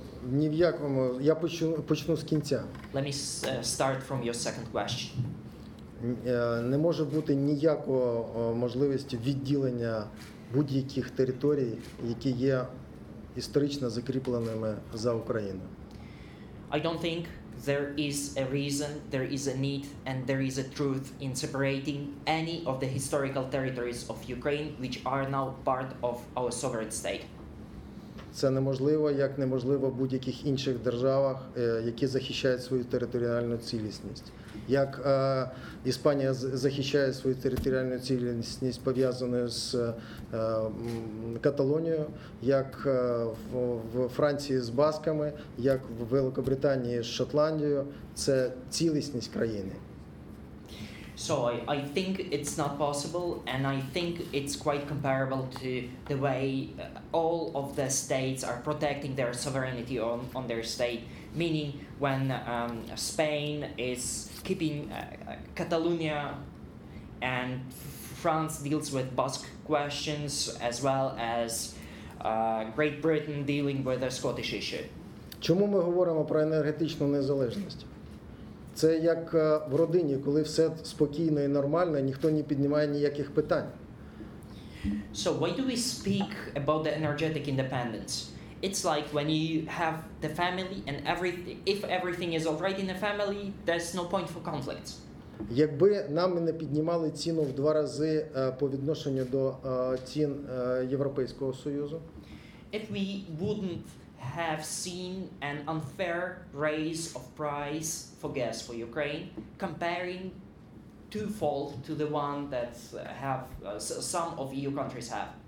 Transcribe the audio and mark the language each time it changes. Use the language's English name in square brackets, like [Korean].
[Ukrainian] Ні в якому, я почну з кінця. [English] Let me start from your second question. [Ukrainian] Не може бути ніякого можливості відділення будь-яких територій, які є історично закріпленими за Україну. [English] I don't think there is a reason, there is a need, and there is a truth in separating any of the historical territories of Ukraine, which are now part of our sovereign state. [Ukrainian] Це неможливо, як неможливо в будь-яких інших державах, які захищають свою територіальну цілісність. Як Іспанія захищає свою територіальну цілісність, пов'язану з Каталонією, як в Франції з басками, як в Великобританії з Шотландією, це цілісність країни. [English] So I think it's not possible, and I think it's quite comparable to the way all of the states are protecting their sovereignty on their state, meaning when Spain is keeping Catalonia and France deals with Basque questions, as well as Great Britain dealing with the Scottish issue. [Ukrainian] Чому ми говоримо про енергетичну незалежність? Це як в родині, коли все спокійно і нормально, ніхто не піднімає ніяких питань. [English] So why do we speak about the energetic independence? It's like when you have the family and if everything is all right in the family, there's no point for conflicts. [Ukrainian] Якби нам не піднімали ціну в два рази по відношенню до цін Європейського Союзу. [English] If we wouldn't have seen an unfair raise of price for gas for Ukraine, comparing twofold to the one that have some of EU countries have.